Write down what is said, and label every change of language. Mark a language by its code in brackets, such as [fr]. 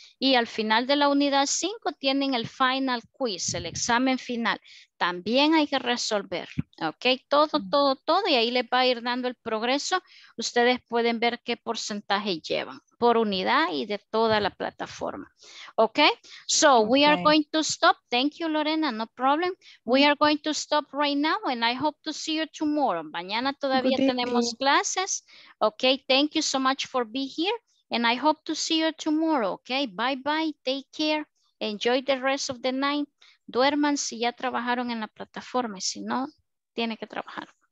[es] Y al final de la unidad 5 tienen el final quiz, el examen final. También hay que resolverlo, ok, todo. Y ahí les va a ir dando el progreso. Ustedes pueden ver qué porcentaje llevan por unidad y de toda la plataforma. [en] Ok, so we are going to stop. Thank you, Lorena, no problem. We are going to stop right now and I hope to see you tomorrow. Mañana todavía tenemos clases. Ok, thank you so much for being here and I hope to see you tomorrow. Ok, bye bye, take care. Enjoy the rest of the night. [es] Duerman si ya trabajaron en la plataforma, si no, tiene que trabajar.